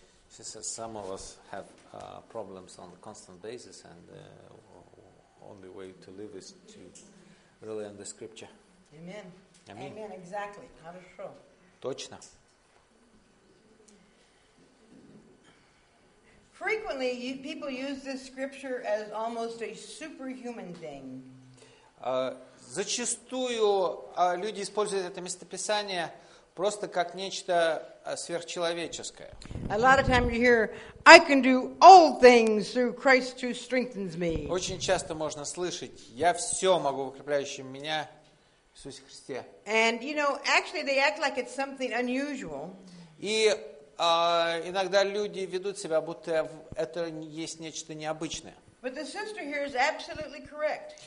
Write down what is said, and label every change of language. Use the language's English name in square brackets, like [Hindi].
[English] She says some of us have problems on a constant basis, and the only way to live is to rely on the scripture. Amen. Amen. Amen. Exactly. How is true? [Russian] Точно. [English] Frequently, people use this scripture as almost a superhuman thing. [Russian] Зачастую люди используют это местописание просто как нечто сверхчеловеческое. [English] A lot of times you hear, "I can do all things through Christ who strengthens me." [Russian] Очень часто можно слышать, "Я все могу в укрепляющем меня Иисусе Христе." [English] And you know, actually, they act like it's something unusual. [Russian] И иногда люди ведут себя, будто это есть нечто необычное. [English] But the sister here is absolutely correct.